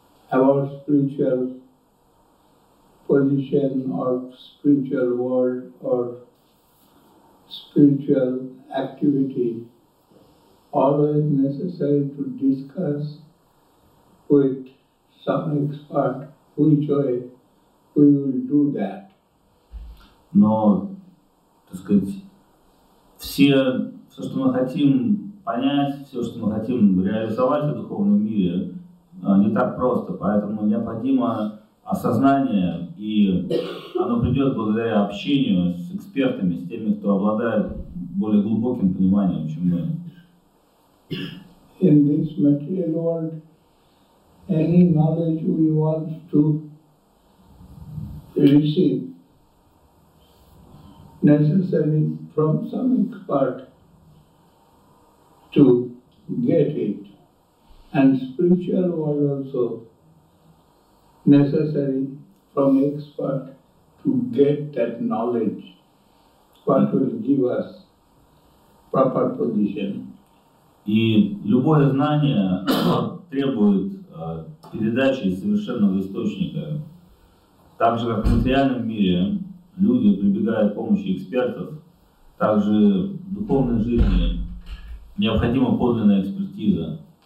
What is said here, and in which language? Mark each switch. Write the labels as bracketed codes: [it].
[en] Our spiritual position or spiritual world or spiritual activity always necessary to discuss with some expert which way we will do that. [ru] Но, так сказать, все, что мы хотим понять, все, что мы хотим реализовать в духовном мире, не так просто, поэтому необходимо осознание, и оно придет благодаря общению с экспертами, с теми, кто обладает более глубоким пониманием, чем мы. [en] In this material world, any knowledge we want to receive necessary from some expert to get it. And spiritual world also necessary from expert to get that knowledge, what will give us proper position. [ru] И любое знание требует передачи из совершенного источника. Так же, как в материальном мире люди прибегают к помощи экспертов, так же в духовной жизни необходима подлинная экспертиза.